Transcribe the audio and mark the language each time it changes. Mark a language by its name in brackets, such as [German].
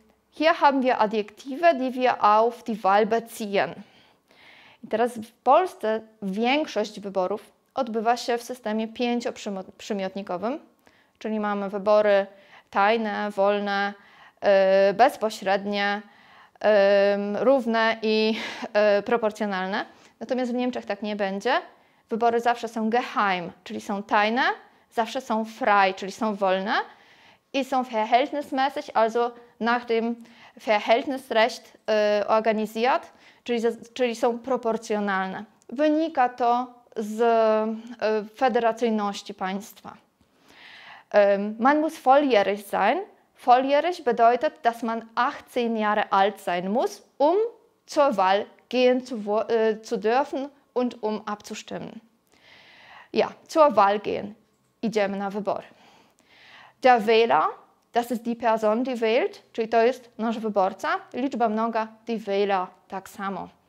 [German] Hier haben wir Adjektive, die wir auf die Wahl beziehen. [Polish] I teraz w Polsce większość wyborów odbywa się w systemie pięcioprzymiotnikowym, czyli mamy wybory tajne, wolne, bezpośrednie, równe i proporcjonalne. Natomiast w Niemczech tak nie będzie. Wybory zawsze są geheim, czyli są tajne, zawsze są frei, czyli są wolne i są verhältnismäßig, [German] also nach dem Verhältnisrecht organisiert, [Polish] czyli są proporcjonalne. Wynika to z federacyjności państwa. [German] Man muss volljährig sein. Volljährig bedeutet, dass man 18 Jahre alt sein muss, um zur Wahl gehen zu dürfen und um abzustimmen. Ja, zur Wahl gehen, [Polish] idziemy na wybory. [German] Der Wähler, das ist die Person, die wählt, [Polish] czyli to jest nasz wyborca, liczba mnoga, [German] die Wähler, [Polish] tak samo.